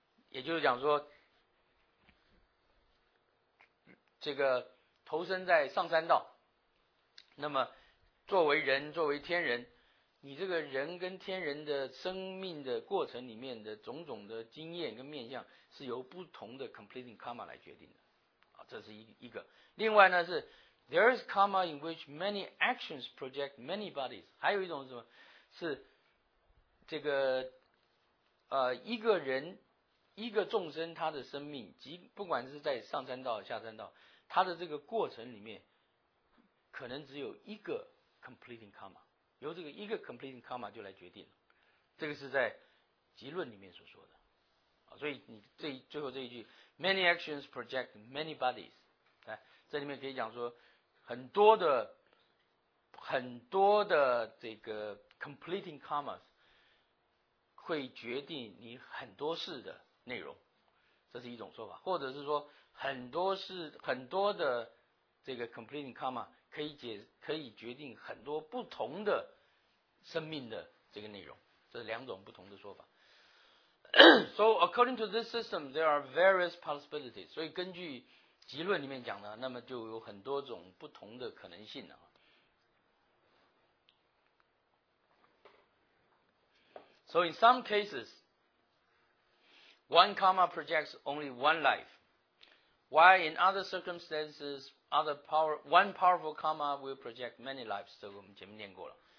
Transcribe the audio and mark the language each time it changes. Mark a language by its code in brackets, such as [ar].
[zh] 也就是讲说，这个投身在上三道，那么作为人，作为天人，你这个人跟天人的生命的过程里面的种种的经验跟面向，是由不同的 completing karma 来决定的，啊，这是一个。另外呢是 [en] there is karma in which many actions project many bodies， [zh] 还有一种是什么？是这个一个人一个众生他的生命，即不管是在上三道下三道，他的这个过程里面，可能只有一个 completing karma。由这个一个 completing karma 就来决定了，这个是在集论里面所说的，所以你最后这一句 [en] many actions project many bodies， [zh] 这里面可以讲说很多的这个 completing karma 会决定你很多事的内容，这是一种说法，或者是说很多的这个 completing karma 可以决定很多不同的生命的这个内容，这是两种不同的说法。 [en] So according to this system, there are various possibilities. [zh] 所以根据极论里面讲呢，那么就有很多种不同的可能性了。 [en] So in some cases, one karma projects only one life, while in other circumstances, one powerful karma will project many lives. [zh] 这个我们前面念过了。